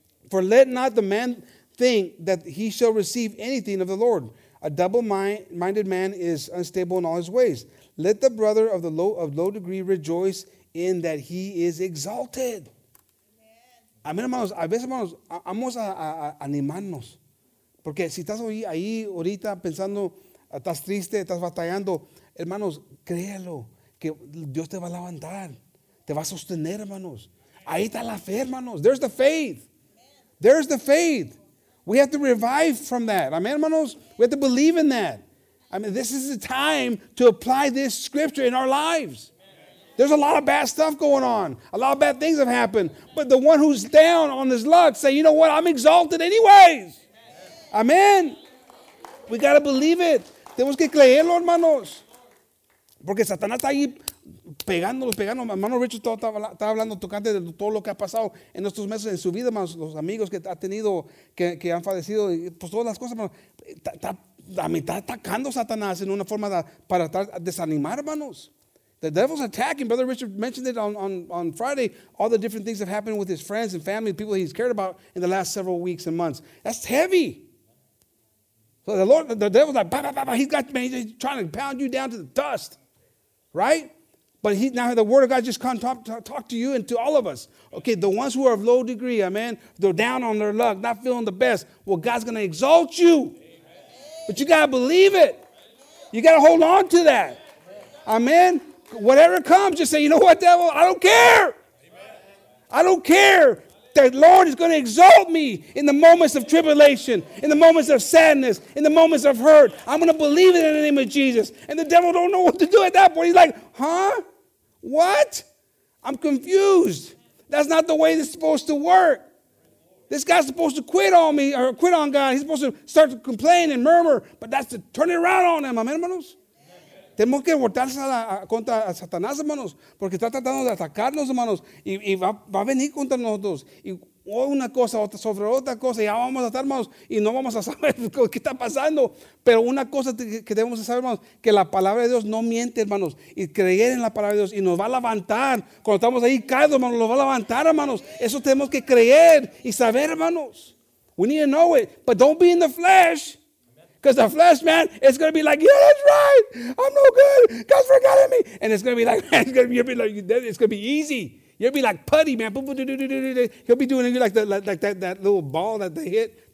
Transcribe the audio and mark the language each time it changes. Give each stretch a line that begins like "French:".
English: For let not the man think that he shall receive anything of the Lord. A double-minded man is unstable in all his ways. Let the brother of the low degree rejoice in that he is exalted.
Spanish: Amen. Amén, hermanos. A veces, hermanos, vamos a animarnos. Porque si estás ahí, ahorita pensando, estás triste, estás batallando, hermanos, créalo, que Dios te va a levantar. Te va a sostener, hermanos. Ahí está la fe, hermanos.
English: There's the faith. Amen. There's the faith. We have to revive from that. Amen, hermanos. We have to believe in that. I mean, this is the time to apply this scripture in our lives. There's a lot of bad stuff going on. A lot of bad things have happened. But the one who's down on his luck say, you know what? I'm exalted anyways. Amen. We got to believe it.
Spanish: Tenemos que creerlo, hermanos. Porque Satanás está ahí pegando. Hermano Richard estaba hablando, tocante de todo lo que ha pasado en estos meses en su vida, hermanos, los amigos que ha tenido, que han fallecido, pues todas las cosas, hermanos. Está atacando Satanás en una forma para estar desanimar, hermanos.
English: The devil's attacking. Brother Richard mentioned it on Friday, all the different things that have happened with his friends and family, people he's cared about in the last several weeks and months. That's heavy. So the Lord, the devil's like, bah, bah, bah, bah. He's got me. He's trying to pound you down to the dust. Right? But now the word of God just come talk to you and to all of us. Okay, the ones who are of low degree, amen, they're down on their luck, not feeling the best. Well, God's going to exalt you. Amen. But you got to believe it. You got to hold on to that. Amen. Whatever comes, just say, you know what, devil? I don't care. Amen. I don't care. The Lord is going to exalt me in the moments of tribulation, in the moments of sadness, in the moments of hurt. I'm going to believe it in the name of Jesus. And the devil don't know what to do at that point. He's like, huh? What? I'm confused. That's not the way this is supposed to work. This guy's supposed to quit on me or quit on God. He's supposed to start to complain and murmur. But that's to turn it around on him. Amen, hermanos?
Spanish: Tenemos que voltarse contra Satanás, hermanos, porque está tratando de atacarnos, hermanos, y va a venir contra nosotros. Y una cosa otra, sobre otra cosa, ya vamos a estar, hermanos, y no vamos a saber qué está pasando. Pero una cosa que debemos saber, hermanos, que la palabra de Dios no miente, hermanos, y creer en la palabra de Dios, y nos va a levantar. Cuando estamos ahí caídos, hermanos, nos va a levantar, hermanos. Eso tenemos que creer y saber, hermanos.
English: We need to know it, but don't be in the flesh. Because the flesh, man, it's going to be like, yeah, that's right. I'm no good. God's forgotten me. And it's going to be like, man, it's going to be easy. You'll be like putty, man. He'll be doing it like that little ball that they hit.